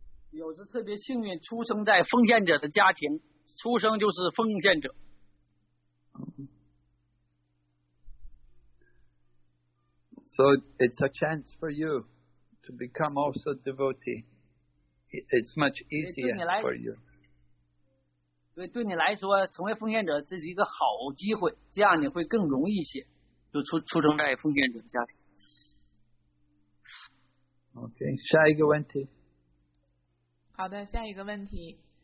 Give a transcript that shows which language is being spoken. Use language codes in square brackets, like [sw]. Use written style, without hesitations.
[zh] 有时特别幸运出生在奉献者的家庭，出生就是奉献者。 [en] So it's a chance for you to become also devotee. It's much easier for you. [zh] 对你来说，成为奉献者是一个好机会，这样你会更容易一些，就出生在奉献者的家庭。 OK, 下一个问题。好的，下一个问题。